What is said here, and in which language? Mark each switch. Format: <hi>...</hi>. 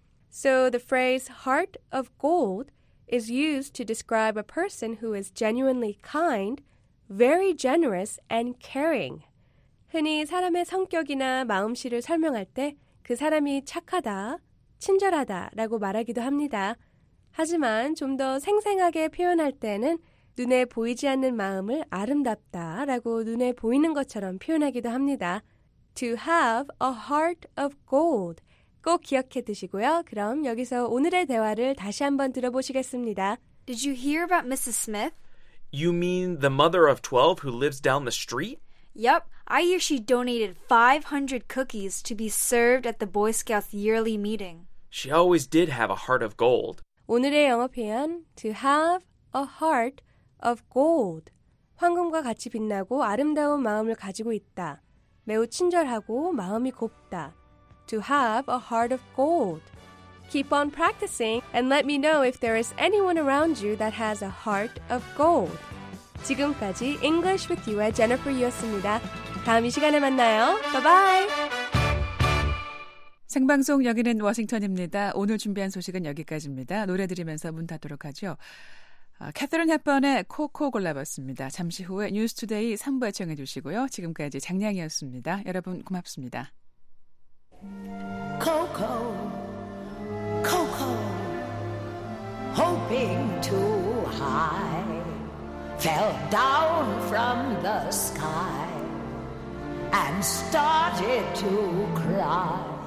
<en>So the phrase heart of gold is used to describe a person who is genuinely kind, very generous, and caring.</en> <ko>흔히 사람의 성격이나 마음씨를 설명할 때 그 사람이 착하다, 친절하다라고 말하기도 합니다. 하지만 좀 더 생생하게 표현할 때는 눈에 보이지 않는 마음을 아름답다라고 눈에 보이는 것처럼 표현하기도 합니다.</ko> <en>To have a heart of gold.</en> <ko>꼭 기억해 두시고요. 그럼 여기서 오늘의 대화를 다시 한번 들어보시겠습니다.</ko> <en>Did you hear about Mrs. Smith? You mean the mother of 12 who lives down the street? Yep, I hear she donated 500 cookies to be served at the Boy Scouts yearly meeting. She always did have a heart of gold.</en> <ko>오늘의 영어 표현,</ko> <en>to have a heart of gold.</en> <ko>황금과 같이 빛나고 아름다운 마음을 가지고 있다. 매우 친절하고 마음이 곱다.</ko> <en>To have a heart of gold. Keep on practicing and let me know if there is anyone around you that has a heart of gold.</en> <ko>지금까지 English with you의 Jennifer이었습니다. 다음 이 시간에 만나요.</ko> <en>Bye-bye!</en> <ko>생방송 여기는 워싱턴입니다. 오늘 준비한 소식은 여기까지입니다. 노래 들으면서 문 닫도록 하죠. 캐서린 헵번의 코코 골라봤습니다. 잠시 후에 뉴스투데이 3부에 청해 주시고요. 지금까지 장량이었습니다. 여러분 고맙습니다.</ko> <en>Coco, Coco, hoping too high, fell down from the sky and started to cry.</en>